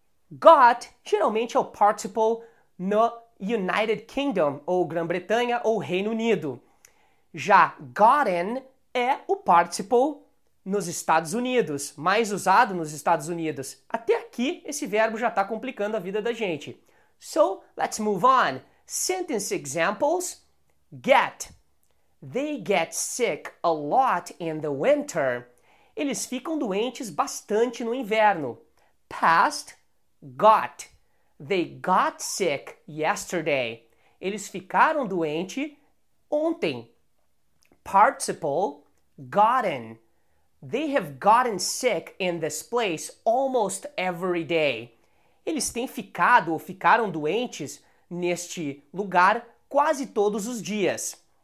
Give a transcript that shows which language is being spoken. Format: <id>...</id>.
<pt>Got geralmente é o participle no United Kingdom, ou Grã-Bretanha, ou Reino Unido. Já gotten é o participle nos Estados Unidos, mais usado nos Estados Unidos. Até aqui, esse verbo já está complicando a vida da gente.</pt> <en>So, let's move on. Sentence examples. Get. They get sick a lot in the winter.</en> <pt>Eles ficam doentes bastante no inverno.</pt> <en>Past. Got. They got sick yesterday.</en> <pt>Eles ficaram doente ontem.</pt> <en>Participle, gotten. They have gotten sick in this place almost every day.</en> <pt>Eles têm ficado ou ficaram doentes neste lugar quase todos os dias.</pt>